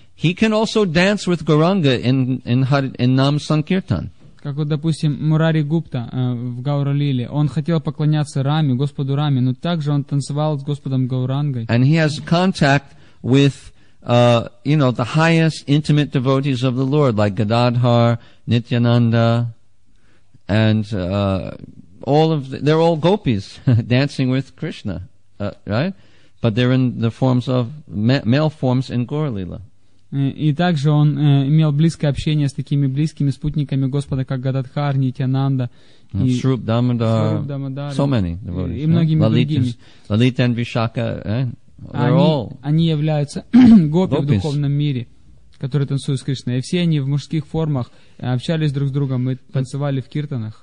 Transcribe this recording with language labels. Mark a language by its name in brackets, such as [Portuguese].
[English] He can also dance with Gauranga in Nam Sankirtan. [Russian] Как вот, допустим, Мурари Гупта в Гауралиле, он хотел поклоняться Раме, Господу Раме, но также он танцевал с Господом Гаурангой. [English] And he has contact with, you know, the highest intimate devotees of the Lord, like Gadadhar, Nityananda, and all of the, they're all gopis dancing with Krishna, right? But they're in the forms of male forms in Gauralila. [Russian] И также он имел близкое общение с такими близкими спутниками Господа, как Гададхар, Нитянанда, [English] Сруп Дамодар, so many devotees, [Russian] и многими другими. Лалита и Вишака, они являются гопи в духовном мире, которые танцуют с Кришной. И все они в мужских формах общались друг с другом, мы танцевали в киртанах.